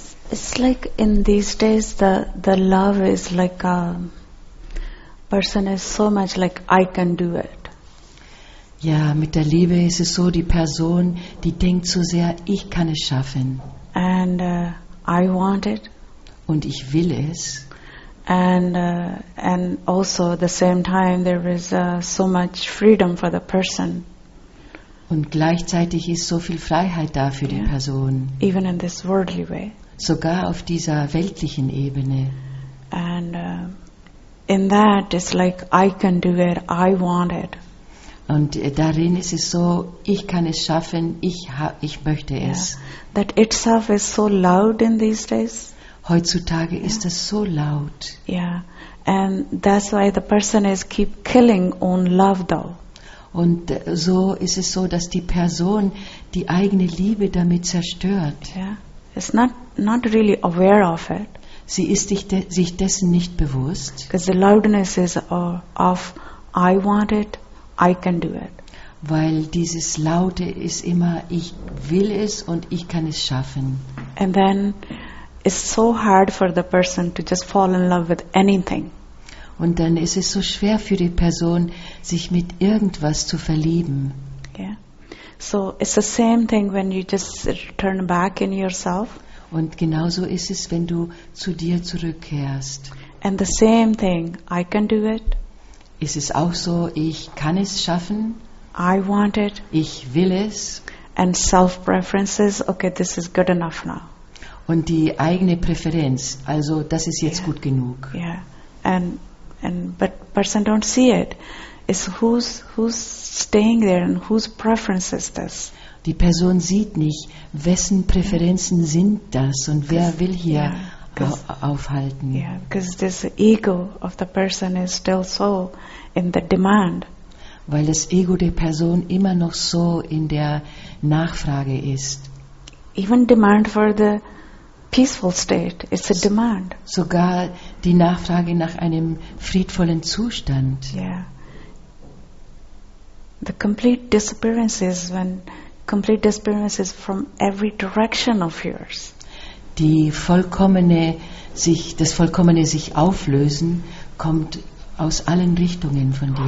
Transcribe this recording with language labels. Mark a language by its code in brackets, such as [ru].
[en] It's like in these days the love is like a person is so much like I can do it. [de] Ja, mit der Liebe ist es so, die Person, die denkt so sehr, ich kann es schaffen. [en] And I want it. [de] Und ich will es. [en] And also at the same time there is so much freedom for the person. [de] Und gleichzeitig ist so viel Freiheit da für die Person. [en] Even in this worldly way. [de] Sogar auf dieser weltlichen Ebene. [en] And in that it's like I can do it, I want it. [de] Und darin ist es so, ich kann es schaffen, ich möchte es. Yeah. [en] That itself is so loud in these days. [de] Heutzutage ist es so laut. [en] Yeah, and that's why the person is keep killing on love though. [de] Und so ist es so, dass die Person die eigene Liebe damit zerstört. [en] Yeah, it's not really aware of it. [de] Sie ist sich dessen nicht bewusst. [en] Because the loudness is of I want it, I can do it. [de] Weil dieses Laute ist immer ich will es und ich kann es schaffen. [en] And then it's so hard for the person to just fall in love with anything. [de] Und dann ist es so schwer für die Person, sich mit irgendwas zu verlieben. Yeah. [en] So it's the same thing when you just turn back in yourself. [de] Und genauso ist es, wenn du zu dir zurückkehrst. [en] And the same thing, I can do it. [de] Ist es auch so, ich kann es schaffen. [en] I want it. [de] Ich will es. [en] And self-preferences, okay, this is good enough now. [de] Und die eigene Präferenz, also das ist jetzt gut genug. [en] Yeah, and but person don't see it. It's who's staying there and whose preference is this? [de] Die Person sieht nicht, wessen Präferenzen sind das und wer will hier aufhalten. [en] Yeah, because this ego of the person is still so in the demand. [de] Weil das Ego der Person immer noch so in der Nachfrage ist. [en] Even demand for the peaceful state, it's a demand. [de] Sogar die Nachfrage nach einem friedvollen Zustand. Yeah. [en] The complete disappearance is when complete disappearance is from every direction of yours. [de] Das vollkommene sich auflösen kommt aus allen Richtungen von dir.